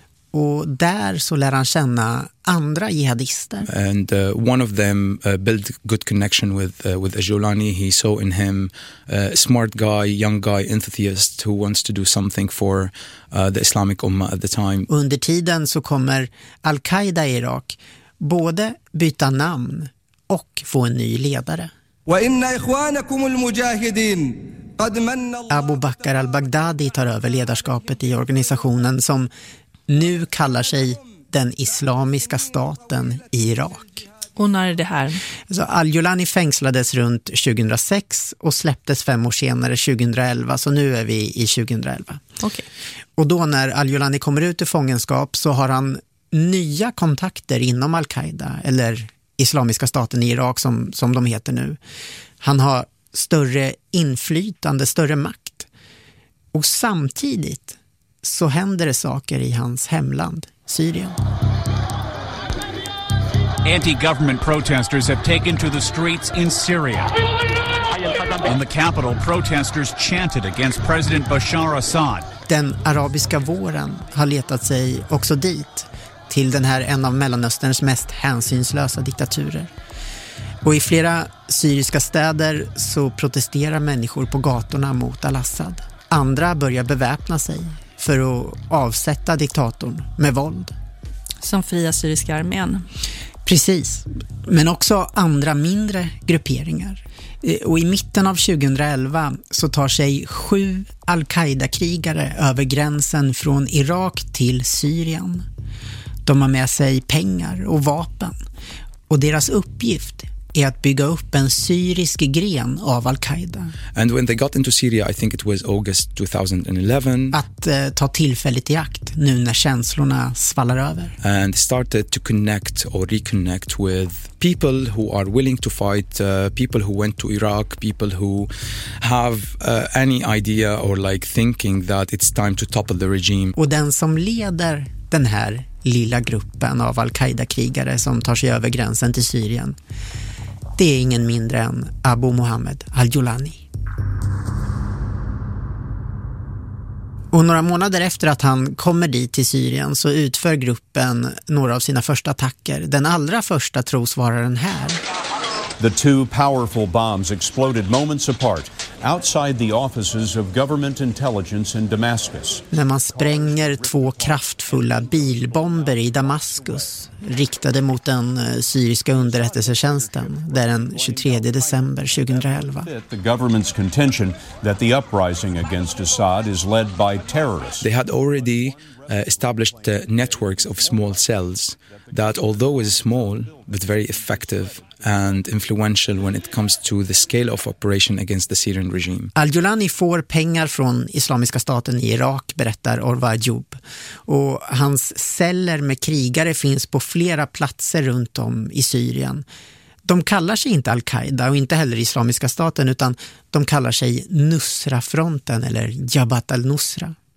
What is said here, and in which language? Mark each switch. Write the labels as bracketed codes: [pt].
[sv] Och där så lär han känna andra jihadister. [en] And one of them built good connection with al-Julani. He saw in him a smart guy, young guy, enthusiast who wants to do something for the Islamic Ummah at the time. [sv] Under tiden så kommer al-Qaida i Irak både byta namn och få en ny ledare. [ar] Wa inna ikhwanakum al-mujahidin qad manna Allah. [sv] Abu Bakr al-Baghdadi tar över ledarskapet i organisationen som nu kallar sig den islamiska staten i Irak. Och när är det här? Så al-Julani fängslades runt 2006 och släpptes 5 år senare 2011. Så nu är vi i 2011. Okay. Och då när al-Julani kommer ut ur fångenskap så har han nya kontakter inom al-Qaida eller islamiska staten i Irak som de heter nu. Han har större inflytande, större makt. Och samtidigt så händer det saker i hans hemland, Syrien. [en] Anti-government protesters have taken to the streets in Syria. In the capital, protesters chanted against President Bashar Assad. [sv] Den arabiska våren har letat sig också dit, till den här en av Mellanösterns mest hänsynslösa diktaturer. Och i flera syriska städer så protesterar människor på gatorna mot al-Assad. Andra börjar beväpna sig för att avsätta diktatorn med våld. Som Fria Syriska armén. Precis, men också andra mindre grupperingar. Och i mitten av 2011 så tar sig 7 al-Qaida-krigare över gränsen från Irak till Syrien. De har med sig pengar och vapen. Och deras uppgift är att bygga upp en syrisk gren av al-Qaida. [en] And when they got into Syria, I think it was August 2011. [sv] Att ta tillfället i akt nu när känslorna svallar över. [en] And started to connect or reconnect with people who are willing to fight, people who went to Iraq, people who have any idea or like thinking that it's time to topple the regime. [sv] Och den som leder den här lilla gruppen av al-Qaida-krigare som tar sig över gränsen till Syrien, det är ingen mindre än Abu Mohammed al-Julani. Och några månader efter att han kommer dit till Syrien så utför gruppen några av sina första attacker. Den allra första tros vara den här. [en] The two powerful bombs exploded moments apart outside the offices of government intelligence in Damascus. [sv] När man spränger 2 kraftfulla bilbomber i Damaskus riktade mot den syriska underrättelsetjänsten där den 23 december 2011. [en] The government's contention that the uprising against Assad is led by terrorists. They had already established networks of small cells that although is small but very effective and influential when it comes to the scale of operation against the Syrian regime. [sv] Al-Julani får pengar från Islamiska staten i Irak, berättar Orvar Jobb. Och hans celler med krigare finns på flera platser runt om i Syrien. De kallar sig inte al-Qaida och inte heller Islamiska staten, utan de kallar sig Nusra-fronten eller Jabhat al-Nusra.